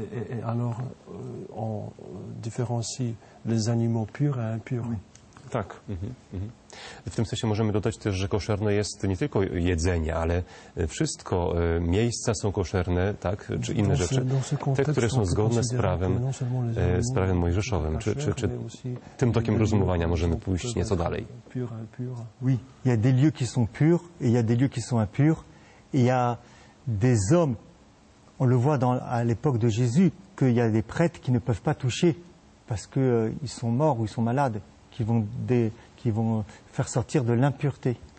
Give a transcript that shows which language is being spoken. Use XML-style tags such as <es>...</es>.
<fr>Et alors, on différencie les animaux purs et impurs. Oui.</fr> <pl>Tak. Mm-hmm. W tym sensie możemy dodać też, że koszerne jest nie tylko jedzenie, ale wszystko, miejsca są koszerne, tak, czy inne rzeczy, te, które są zgodne z prawem mojżeszowym, czy tym tokiem rozumowania możemy pójść nieco dalej.</pl> <fr>Oui, il y a des lieux qui sont purs et il y a des lieux qui sont impurs. Il y a des hommes, on le voit dans, à l'époque de Jésus, qu'il y a des prêtres qui ne peuvent pas toucher parce qu'ils sont morts ou ils sont malades. Qui vont faire sortir de l'impureté.</fr>